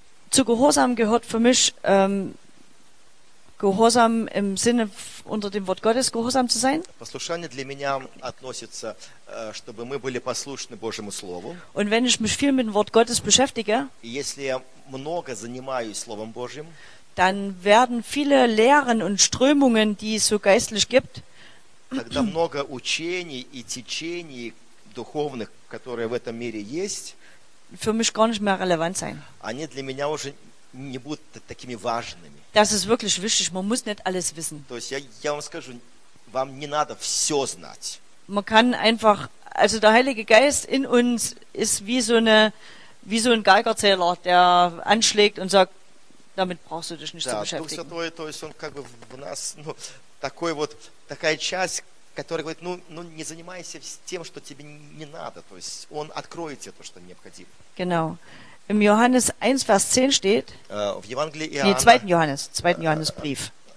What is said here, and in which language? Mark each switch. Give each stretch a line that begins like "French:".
German: Zu Gehorsam gehört für mich Gehorsam im Sinne unter dem Wort Gottes gehorsam zu sein.
Russian: Послушание для меня относится, чтобы мы были послушны Божьему слову.
German: Und wenn ich mich viel mit dem Wort Gottes beschäftige,
Russian: если я много занимаюсь словом Божьим,
German: dann werden viele Lehren und Strömungen, die es so geistlich gibt,
Russian: тогда много учений и течений духовных, которые в этом мире есть,
German: für mich gar nicht mehr relevant sein.
Russian: Они для меня уже не будут такими важными.
German: Das ist wirklich wichtig. Man muss nicht alles wissen.
Russian: То есть я вам скажу, вам не надо все знать.
German: Man kann einfach, also der Heilige Geist in uns ist wie so eine, wie so ein Geigerzähler, der anschlägt und sagt, damit brauchst du dich nicht zu beschäftigen.
Russian: Дух Святой, то есть он как бы в нас, ну, такой вот, такая часть, который говорит, ну не занимайся тем, что тебе не надо, то есть он откроет тебе то, что необходимо.
German: Genau. Im Johannes 1, Vers 10 steht,
Russian: в Евангелии
German: Иоанна, nee, zweiten Johannes, zweiten Johannes Brief.